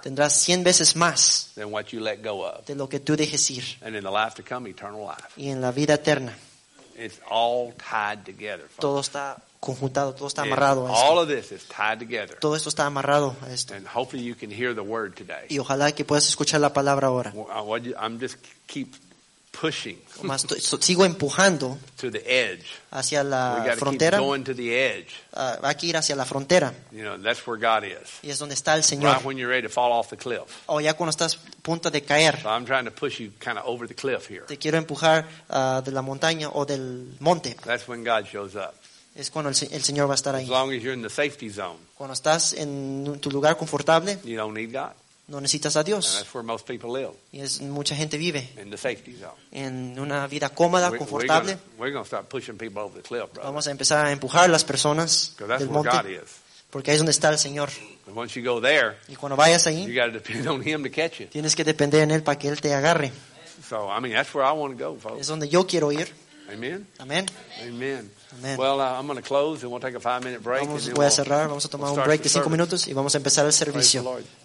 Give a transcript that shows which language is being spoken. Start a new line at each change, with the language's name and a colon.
Spanish: Tendrás 100 veces más
English: than what you let go of.
Spanish: De lo que tú dejes ir.
English: And in the life to come, eternal life.
Spanish: Y en la vida eterna.
English: It's all tied together. Folks.
Spanish: Todo está conjuntado, todo está amarrado a esto.
English: All of this is tied together.
Spanish: Todo esto está amarrado a esto.
English: And hopefully you can hear the word today.
Spanish: Y ojalá que puedas escuchar la palabra ahora.
English: I'm just keep pushing.
Spanish: Sigo empujando
English: to the edge.
Spanish: Hacia la frontera.
English: Going to the edge.
Spanish: Hay que ir hacia la frontera.
English: You know, that's where God is.
Spanish: Y es donde está el Señor.
English: Right when you're ready to fall off the cliff.
Spanish: O ya cuando estás a punto de caer.
English: So I'm trying to push you kind of over the cliff here.
Spanish: Te quiero empujar de la montaña o del monte.
English: That's when God shows up.
Spanish: Es cuando el Señor va a estar ahí.
English: As long as you're in the safety zone.
Spanish: Cuando estás en tu lugar confortable.
English: You don't need God.
Spanish: No necesitas a Dios.
English: And that's where most people live.
Spanish: Y es mucha gente vive.
English: In the safety zone.
Spanish: En una vida cómoda, confortable.
English: We're gonna start pushing people over the cliff, brother.
Spanish: Vamos a empezar a empujar las personas del monte.
English: Because that's where God is.
Spanish: Porque ahí es donde está el Señor.
English: And once you go there,
Spanish: y cuando vayas ahí,
English: you gotta depend on him to catch you.
Spanish: Tienes que depender en él para que él te agarre.
English: So, I mean, that's where I want to go, folks.
Spanish: Es donde yo quiero ir.
English: Amen.
Spanish: Amen.
English: Amen.
Spanish: Amen.
English: Well, I'm going to close and we'll take a 5-minute break.
Spanish: Vamos a tomar un break de 5 minutos y vamos a empezar el servicio.